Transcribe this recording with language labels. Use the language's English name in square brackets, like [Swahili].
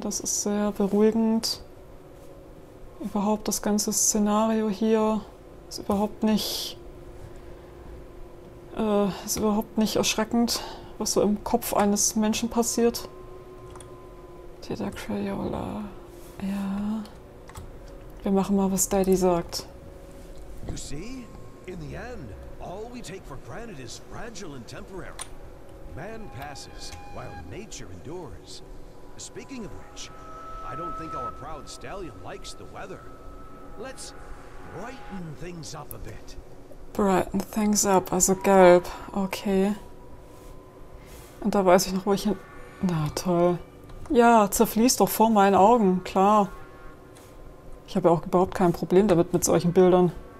[German] Das ist sehr beruhigend. Überhaupt das ganze Szenario hier ist überhaupt nicht... ist überhaupt nicht erschreckend, was so im Kopf eines Menschen passiert. Tita Crayola. Ja. Wir machen mal, was Daddy sagt. [English] You see? In the end, all we take for granted is fragile and temporary. Man passes, while nature endures. Speaking of which, I don't think our proud stallion likes the weather. Let's brighten things up a bit. Brighten things up, [German] also gelb. Okay. Und da weiß ich noch, wo ich hin... Na toll. Ja, zerfließt doch vor meinen Augen, klar. Ich habe ja auch überhaupt kein Problem damit, mit solchen Bildern.